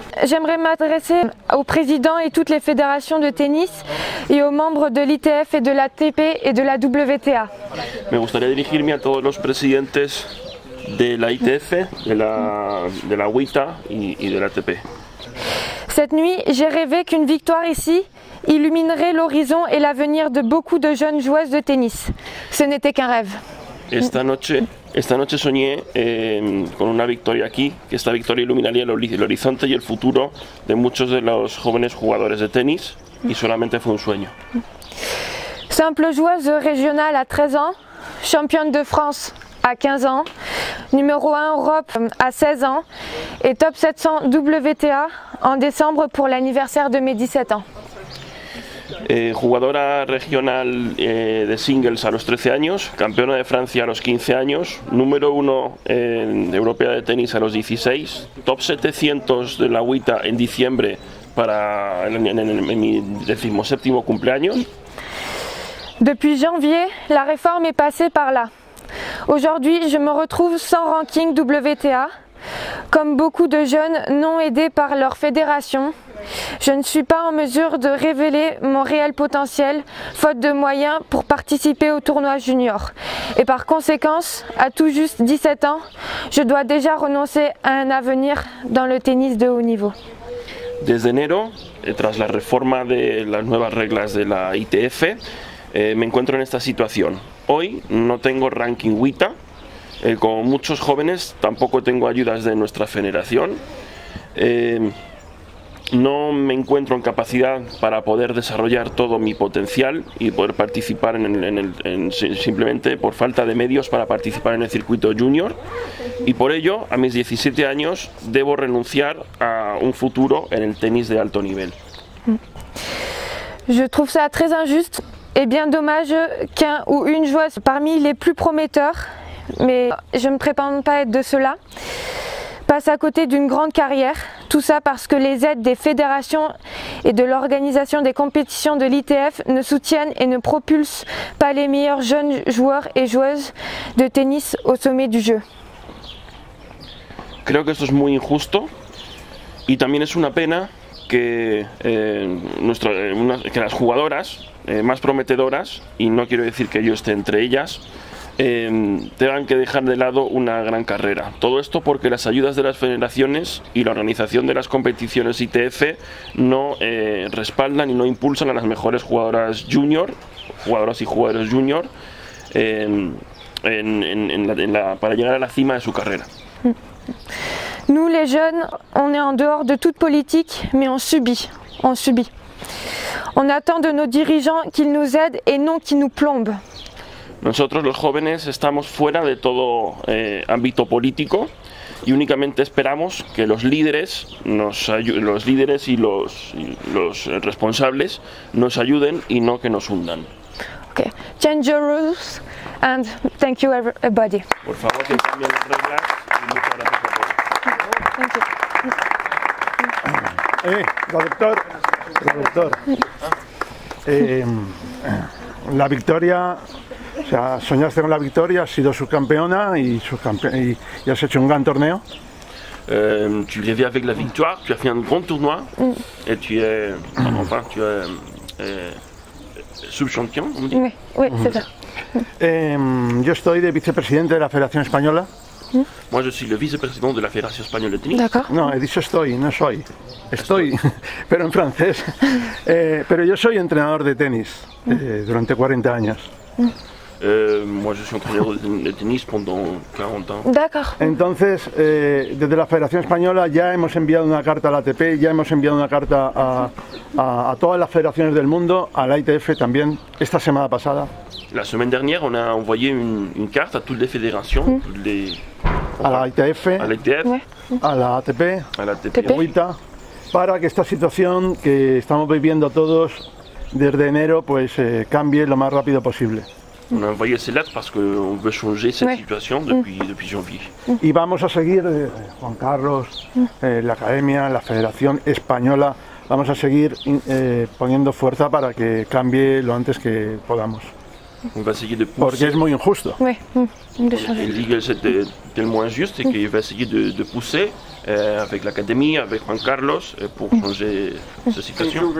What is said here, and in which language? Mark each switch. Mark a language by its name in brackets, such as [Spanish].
[French] J'aimerais m'adresser au président et toutes les fédérations de tennis et aux membres de l'ITF et de la TP et de la WTA. [Spanish] Me gustaría dirigirme a todos los presidentes de la ITF, de la WTA et de la TP. [French] Cette nuit, j'ai rêvé qu'une victoire ici illuminerait l'horizon et l'avenir de beaucoup de jeunes joueuses de tennis. Ce n'était qu'un rêve. [Spanish] Esta noche soñé con una victoria aquí, que esta victoria iluminaría el horizonte y el futuro de muchos de los jóvenes jugadores de tenis, y solamente fue un sueño. [French] Simple joueuse régionale à 13 ans, championne de France à 15 ans, numéro 1 Europe à 16 ans, et top 700 WTA en décembre pour l'anniversaire de mes 17 ans. [Spanish] Jugadora regional de singles a los 13 años, campeona de Francia a los 15 años, número 1 europea de tenis a los 16, top 700 de la WTA en diciembre para en mi 17º cumpleaños. [French] Depuis janvier, la réforme est passée par là. Aujourd'hui, je me retrouve sans ranking WTA. Comme beaucoup de jeunes non aidés par leur fédération, je ne suis pas en mesure de révéler mon réel potentiel, faute de moyens pour participer au tournoi junior. Et par conséquent, à tout juste 17 ans, je dois déjà renoncer à un avenir dans le tennis de haut niveau. [Spanish] Desde enero, tras la reforma de las nuevas reglas de la ITF, me encuentro en esta situación. Hoy no tengo ranking WTA. Como muchos jóvenes, tampoco tengo ayudas de nuestra federación. No me encuentro en capacidad para poder desarrollar todo mi potencial y poder participar simplemente por falta de medios para participar en el circuito junior. Y por ello, a mis 17 años, debo renunciar a un futuro en el tenis de alto nivel. [French] Je trouve ça très injuste et bien dommage qu'un ou une joueuse parmi les plus prometteurs. Mais je ne me prétends pas être de cela. Passe à côté d'une grande carrière, tout ça parce que les aides des fédérations et de l'organisation des compétitions de l'ITF ne soutiennent et ne propulsent pas les meilleurs jeunes joueurs et joueuses de tennis au sommet du jeu. [Spanish] Creo que esto es muy injusto y también es una pena que que las jugadoras más prometedoras, y no quiero decir que yo esté entre ellas, tengan que dejar de lado una gran carrera. Todo esto porque las ayudas de las federaciones y la organización de las competiciones ITF no respaldan y no impulsan a las mejores jugadoras junior, jugadoras y jugadores junior, para llegar a la cima de su carrera. [French] Nous les jeunes, on est en dehors de toute politique, mais on subit. On attend de nos dirigeants qu'ils nous aident et non qu'ils nous plombent. [Spanish] Nosotros los jóvenes estamos fuera de todo ámbito político y únicamente esperamos que los líderes, los líderes y los responsables nos ayuden y no que nos hundan. [English] Okay, change the rules and thank you everybody. [Spanish] Por favor, que cambien las reglas y muchas gracias por todo. [English] Thank you. [Spanish] Doctor. La victoria. O sea, soñaste con la victoria, has sido subcampeona y has hecho un gran torneo. [French] Tu rêvais avec la victoire, tu as fait un grand tournoi et tu es enfin tu es subchampion, on dit. Oui, c'est ça. [Spanish] Yo estoy de vicepresidente de la Federación Española. [French] Moi je suis le vice-président de la Fédération Espagnole de Tennis. D'accord. [Spanish] Non, he dicho estoy, no soy. Estoy, pero en francés. pero yo soy entrenador de tenis durante 40 años. [French] Moi je suis entraîneur de tennis pendant 40 ans. D'accord. [Spanish] Entonces, desde la Federación Española ya hemos enviado una carta a la ATP, ya hemos enviado una carta a todas las federaciones del mundo, a la ITF también, esta semana pasada. [French] La semaine dernière, on a envoyé une carte à toutes les fédérations, [Spanish] a la ITF, a la ATP, a la ATP, para que esta situación que estamos viviendo todos desde enero, pues cambie lo más rápido posible. [French] On a envoyé ces lettres parce qu'on veut changer cette situation depuis janvier. [Spanish] Et vamos a seguir, Juan Carlos, l'Académie, la Fédération Española, vamos a seguir poniendo fuerza para que cambie lo antes que podamos. [French] On va essayer de [Spanish] pousser. Porque es muy injusto. [French] Oui, de changer. L'Igel, c'est tellement injuste et qu'il va essayer de pousser avec l'Académie, avec Juan Carlos, pour changer cette situation.